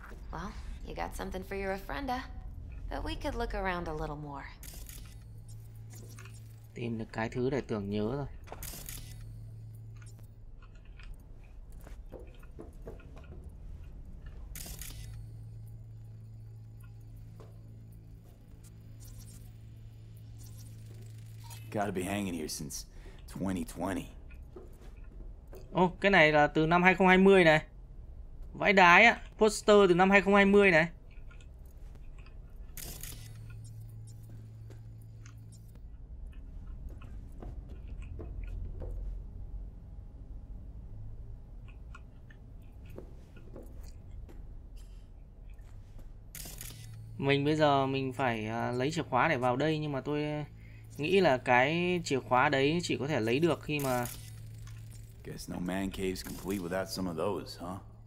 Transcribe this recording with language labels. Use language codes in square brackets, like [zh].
[en] Well, you got something for your ofrenda, but we could look around a little more. [vi] Tìm được cái thứ để tưởng nhớ rồi. [en] Gotta be hanging here since 2020. [vi] Oh, cái này là từ năm 2020 này. Vãi đái á, poster từ năm 2020 này. Mình bây giờ mình phải lấy chìa khóa để vào đây, nhưng mà tôi nghĩ là cái chìa khóa đấy chỉ có thể lấy được khi mà [en] guess no man cave's complete without some of those, huh?